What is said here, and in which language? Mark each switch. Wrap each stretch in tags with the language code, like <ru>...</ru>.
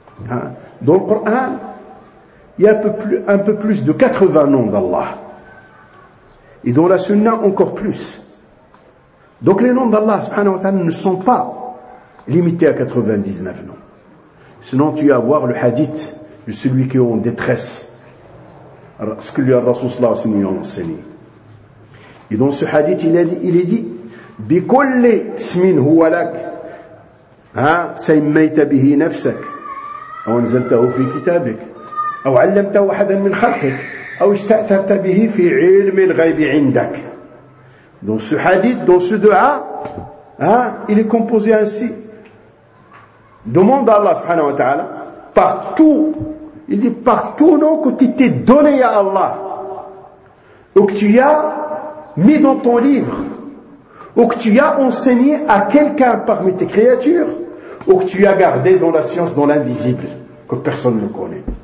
<fr>Hein? Dans le Coran, il y a un peu plus de 80 noms d'Allah. Et dans la Sunna, encore plus. Donc les noms d'Allah subhanahu wa ta'ala ne sont pas limités à 99 noms. Sinon, tu vas voir le hadith de celui qui est en détresse. Ce que lui a Rasul Sallallahu Alaihi Wasallam enseigné. Et dans ce hadith, il est dit,</fr> <ar>بِكُلِّ اسْمٍ هُوَ لَكَ سَيْمَيْتَ بِهِ نَفْسَكَ أَوْ نَزَلْتَهُ فِي كِتَابِكَ أَوْ عَلَّمْتَهُ أَحَدًا مِنْ خَلْقِكَ أو استأثرت به في علم الغيب عندك.</ar> <fr>Dans ce hadith, dans ce dua, hein, il est composé ainsi. Demande à Allah subhanahu wa ta'ala partout. Il dit partout non, que tu t'es donné à Allah, ou que tu as mis dans ton livre, ou que tu as enseigné à quelqu'un parmi tes créatures, ou que tu as gardé dans la science, dans l'invisible, que personne ne connaît.</fr>